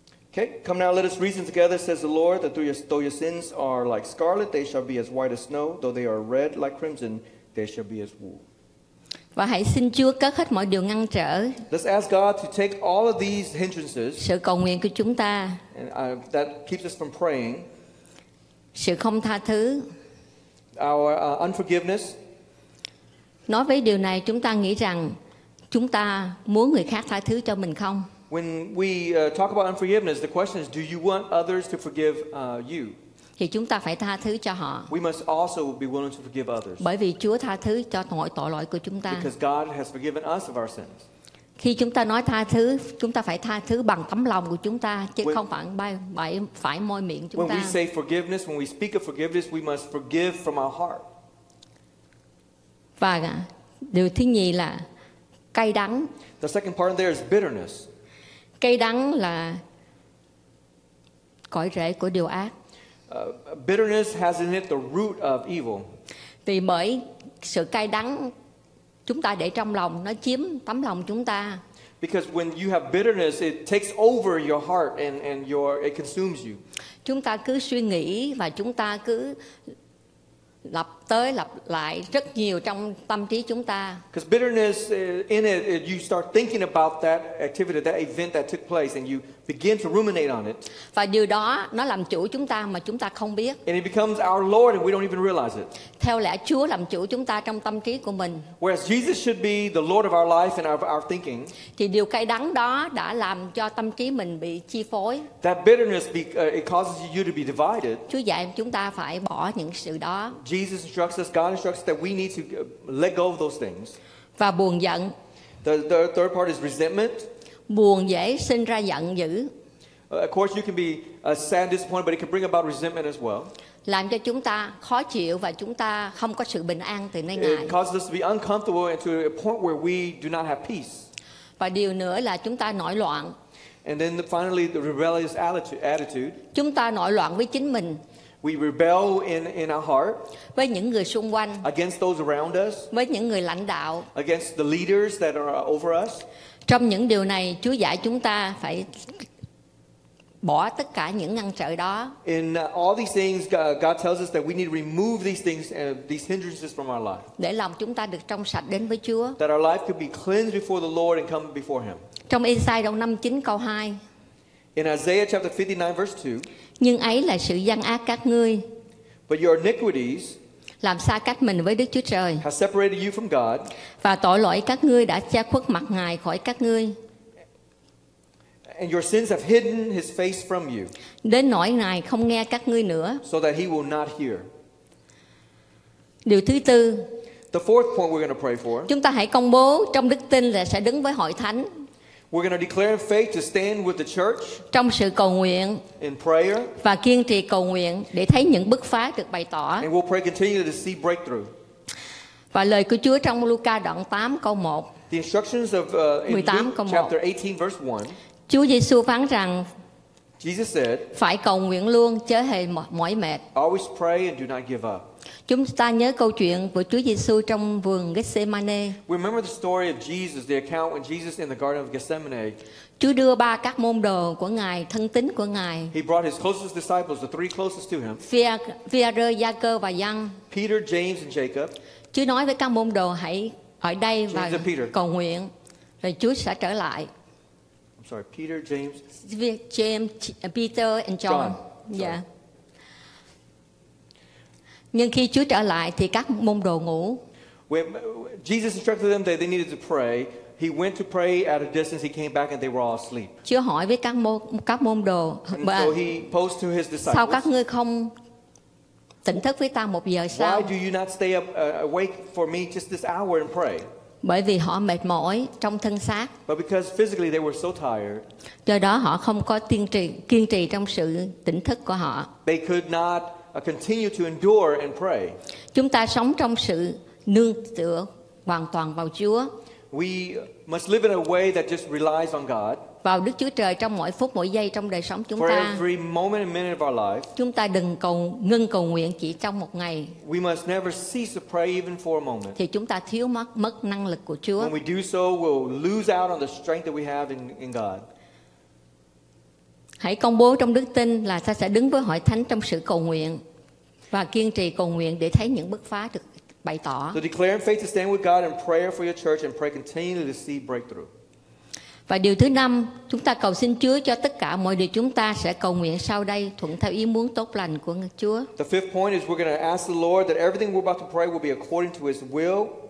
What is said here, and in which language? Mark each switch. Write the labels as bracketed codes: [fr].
[en] Okay, come now, let us reason together, says the Lord, that though your sins are like scarlet, they shall be as white as snow; though they are red like crimson, they shall be as wool. [vi] Và hãy xin Chúa cất hết mọi điều ngăn trở. [en] Let's ask God to take all of these hindrances. [vi] Sự cầu nguyện của chúng ta. [en] And that keeps us from praying. [vi] Sự không tha thứ. [en] Our unforgiveness. [vi] Nói với điều này, chúng ta nghĩ rằng. Chúng ta muốn người khác tha thứ cho mình không? [en] When we talk about unforgiveness, the question is, do you want others to forgive you? [vi] Thì chúng ta phải tha thứ cho họ. [en] We must also be willing to forgive others. [vi] Bởi vì Chúa tha thứ cho mọi tội lỗi của chúng ta. [en] Because God has forgiven us of our sins. [vi] Khi chúng ta nói tha thứ, chúng ta phải tha thứ bằng tấm lòng của chúng ta, chứ không phải môi miệng chúng ta. [en] When we say forgiveness, when we speak of forgiveness, we must forgive from our heart. [vi] Và điều thứ nhì là cay đắng. [en] The second part there is bitterness. [vi] Cay đắng là cội rễ của điều ác. [en] Bitterness has in it the root of evil. [vi] Vì bởi sự cay đắng chúng ta để trong lòng nó chiếm tấm lòng chúng ta. [en] Because when you have bitterness it takes over your heart and your it consumes you. [vi] Chúng ta cứ suy nghĩ và chúng ta cứ lặp tới lặp lại rất nhiều trong tâm trí chúng ta. [en] Because bitterness in it, you start thinking about that activity, that event that took place, and you begin to ruminate on it. [vi] Và điều đó nó làm chủ chúng ta mà chúng ta không biết. [en] And it becomes our lord, and we don't even realize it. [vi] Theo lẽ Chúa làm chủ chúng ta trong tâm trí của mình. [en] Whereas Jesus should be the lord of our life and our thinking. [vi] Thì điều cay đắng đó đã làm cho tâm trí mình bị chi phối. [en] That bitterness it causes you to be divided. [vi] Chúa dạy chúng ta phải bỏ những sự đó. [en] Jesus instructs us, God instructs us that we need to let go of those things. [vi] Và buồn giận. [en] The third part is resentment. [vi] Buồn dễ sinh ra giận dữ. [en] Of course, you can be sad, disappointed, but it can bring about resentment as well. [vi] Làm cho chúng ta khó chịu và chúng ta không có sự bình an từ nơi Ngài. [en] It causes us to be uncomfortable and to a point where we do not have peace. [vi] Và điều nữa là chúng ta nổi loạn. [en] And then finally, the rebellious attitude. [vi] Chúng ta nổi loạn với chính mình. [en] We rebel in our heart. [vi] Với những người xung quanh. [en] Against those around us. [vi] Với những người lãnh đạo. [en] Against the leaders that are over us. [vi] Trong những điều này, Chúa dạy chúng ta phải bỏ tất cả những ngăn trở đó. [en] In all these things, God tells us that we need to remove these things, these hindrances from our life. [vi] Để lòng chúng ta được trong sạch đến với Chúa. [en] That our life could be cleansed before the Lord and come before Him. [vi] Trong Isaiah 59 câu 2. [en] In Isaiah chapter 59 verse 2. [vi] Nhưng ấy là sự gian ác các ngươi. [en] But your iniquities [vi] làm xa cách mình với Đức Chúa Trời. [en] Has separated you from God. [vi] Và tội lỗi các ngươi đã che khuất mặt Ngài khỏi các ngươi. [en] And your sins have hidden His face from you. [vi] Đến nỗi Ngài không nghe các ngươi nữa. [en] So that He will not hear. [vi] Điều thứ tư. [en] The fourth point we're going to pray for. [vi] Chúng ta hãy công bố trong đức tin là sẽ đứng với hội thánh. [en] We're going to declare in faith to stand with the church. [vi] Trong sự cầu nguyện. [en] In prayer. [vi] Và kiên trì cầu nguyện để thấy những bứt phá được bày tỏ. [en] And we'll pray continually to see breakthrough. [vi] Và lời của Chúa trong Luca đoạn 8 câu 1. [en] The instructions of in Luke chapter 18 verse 1. [vi] Chúa Giêsu phán rằng [en] Jesus said, [vi] phải cầu nguyện luôn chớ hề mỏi mệt. [en] Always pray and do not give up. [vi] Chúng ta nhớ câu chuyện của Chúa Giêsu trong vườn Gethsemane. [en] Remember the story of Jesus, the account when Jesus in the Garden of Gethsemane. [vi] Chúa đưa ba các môn đồ của Ngài, thân tín của Ngài. [en] He brought his closest disciples, the three closest to him. [vi] Phi-e-rơ, Gia-cơ và Giăng. [en] Peter, James and Jacob. [vi] Chúa nói với các môn đồ hãy ở đây và [en] Peter, [vi] cầu nguyện rồi Chúa sẽ trở lại. [en] I'm sorry, Peter, James. Peter and John. John. Yeah. [vi] Nhưng khi Chúa trở lại thì các môn đồ ngủ. [en] When Jesus instructed them that they needed to pray, he went to pray at a distance, he came back and they were all asleep. [vi] Chúa hỏi với các môn đồ. [en] And so he posed to his disciples. [vi] Sao các ngươi không tỉnh thức với ta một giờ sao? [en] Why do you not stay up awake for me just this hour and pray? [vi] Bởi vì họ mệt mỏi trong thân xác. [en] But because physically they were so tired. [vi] Do đó họ không có kiên trì trong sự tỉnh thức của họ. [en] They could not continue to endure and pray. [vi] Chúng ta sống trong sự nương tựa hoàn toàn vào Chúa. [en] We must live in a way that just relies on God. [vi] Vào Đức Chúa Trời trong mỗi phút mỗi giây trong đời sống chúng [en] for [vi] ta. [en] Every moment and minute of our life. [vi] Chúng ta đừng ngừng cầu nguyện chỉ trong một ngày. [en] We must never cease to pray even for a moment. [vi] Thì chúng ta thiếu mất năng lực của Chúa. [en] When we do so, we'll lose out on the strength that we have in God. [vi] Hãy công bố trong đức tin là ta sẽ đứng với hội thánh trong sự cầu nguyện và kiên trì cầu nguyện để thấy những bứt phá được bày tỏ. [en] So declare in faith to stand with God and pray for your church and pray continually to see breakthrough. [vi] Và điều thứ năm, chúng ta cầu xin Chúa cho tất cả mọi điều chúng ta sẽ cầu nguyện sau đây thuận theo ý muốn tốt lành của Chúa. [en] The fifth point is we're going to ask the Lord that everything we're about to pray will be according to His will.